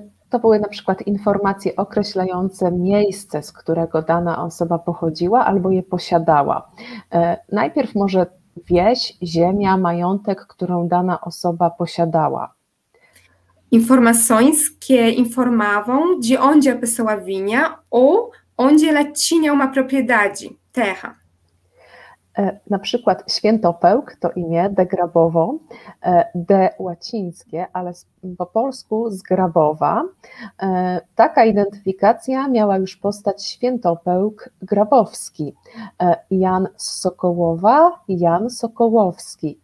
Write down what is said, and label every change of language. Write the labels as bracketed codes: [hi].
[pl] To były na przykład informacje określające miejsce, z którego dana osoba pochodziła albo je posiadała. Najpierw może wieś, ziemia, majątek, którą dana osoba posiadała. [pt] Informações que informavam de onde a pessoa vinha ou onde ela tinha uma propriedade, terra. [pl] Na przykład Świętopełk to imię de Grabowo, de łacińskie, ale po polsku z Grabowa. Taka identyfikacja miała już postać Świętopełk Grabowski. Jan z Sokołowa, Jan Sokołowski.